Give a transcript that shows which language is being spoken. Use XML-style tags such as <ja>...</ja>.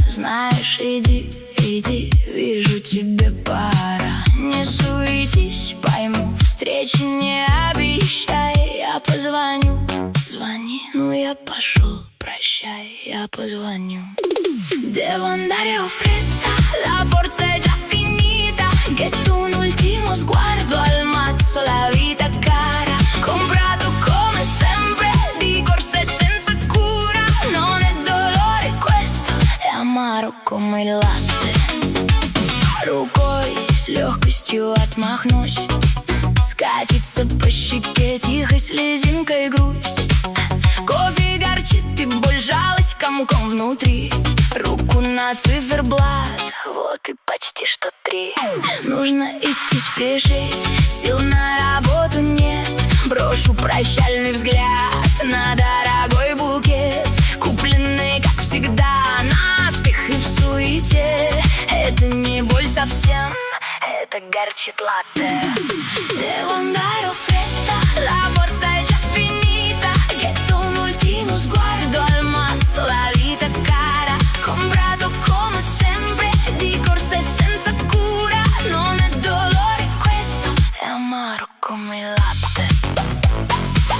<ru>Знаешь, иди, иди, вижу тебе пора. Не суетись, пойму, встречи не обещай. Я позвоню, звони, ну я пошел, прощай, я позвоню.</ru> <it>Devo andare a fretta, la forza è già finita. Get un ultimo sguardo al mazzo, la vita è cara. Comprato come sempre, di corsa e senza cura. Non è dolore questo, è amaro come il latte.</it> <ru>Рукой с легкостью отмахнусь. Скатится по щеке тихой слезинкой грусть. Кофе горчит и боль жалость комком внутри. Руку на циферблат, вот и почти что три. Нужно идти спешить, сил на работу нет. Брошу прощальный взгляд на дорогой букет. Купленный, как всегда, наспех и в суете. Это не боль совсем, это горчит латте.</ru> <it>Devo andare a fretta, la forza è già finita. Get un ultimo sguardo al mazzo, la vita cara. Comprato come sempre, di corsa e senza cura. Non è dolore questo, è amaro come il latte.</it>